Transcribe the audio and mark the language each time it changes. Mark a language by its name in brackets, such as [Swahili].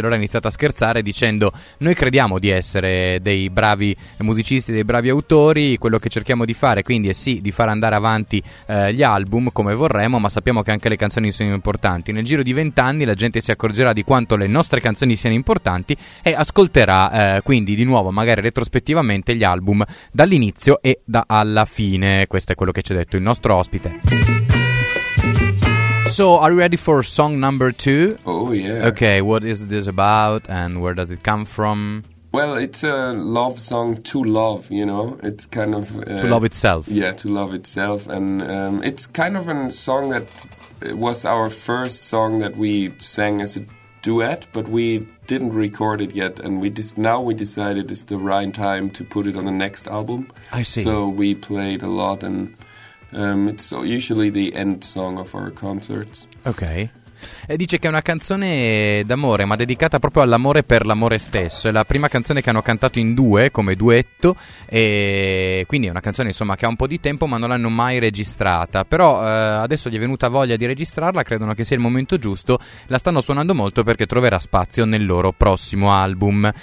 [Italian] Allora ha iniziato a scherzare dicendo: noi crediamo di essere dei bravi musicisti, dei bravi autori, quello che cerchiamo di fare quindi è sì di far andare avanti gli album come vorremmo, ma sappiamo che anche le canzoni sono importanti. Nel giro di 20 anni la gente si accorgerà di quanto le nostre canzoni siano importanti e ascolterà quindi di nuovo, magari retrospettivamente, gli album dall'inizio e da alla fine. Questo è quello che ci ha detto il nostro ospite. [English] So, are you ready for song number 2? Oh, yeah. Okay, what is this about and where does it come from? Well, it's a love song to love, you know. It's kind of... to love itself. Yeah, to love itself. And it's kind of a song that was our first song that we sang as a duet, but we didn't record it yet, and we decided it's the right time to put it on the next album. I see. So we played a lot, and it's usually the end song of our concerts. Okay. [Italian] E dice che è una canzone d'amore, ma dedicata proprio all'amore per l'amore stesso. È la prima canzone che hanno cantato in due, come duetto, e quindi è una canzone, insomma, che ha un po' di tempo, ma non l'hanno mai registrata. Però adesso gli è venuta voglia di registrarla, credono che sia il momento giusto, la stanno suonando molto perché troverà spazio nel loro prossimo album.